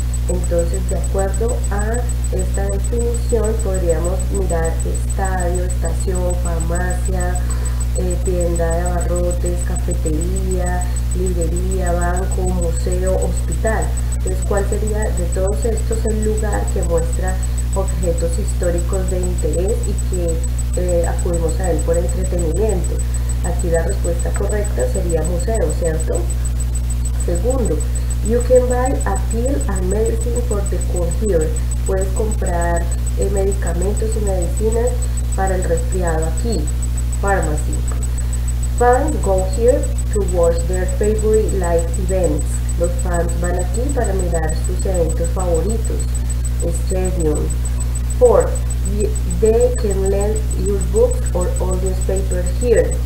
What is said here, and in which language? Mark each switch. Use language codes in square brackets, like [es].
[es] Entonces, de acuerdo a esta definición, podríamos mirar estadio, estación, farmacia, tienda de abarrotes, cafetería, librería, banco, museo, hospital. Entonces, ¿cuál sería de todos estos el lugar que muestra objetos históricos de interés y que acudimos a él por entretenimiento? Aquí la respuesta correcta sería museo, ¿cierto? Segundo. [en] You can buy a pill and medicine for the cold here. [es] Puedes comprar medicamentos y medicinas para el resfriado aquí. [en] Pharmacy. Fans go here to watch their favorite live events. [es] Los fans van aquí para mirar sus eventos favoritos. [en] Stadium. Four. They can lend your book or all newspaper here.